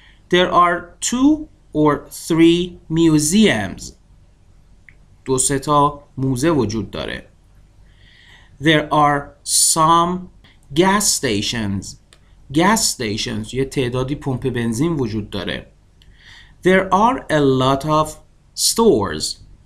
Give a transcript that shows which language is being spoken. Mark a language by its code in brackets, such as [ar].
[en] There are two or three museums. [fa] دو سه تا موزه وجود داره. [en] There are some gas stations. [fa] Gas stations، یه تعدادی پمپ بنزین وجود داره. [en] There are a lot of stores.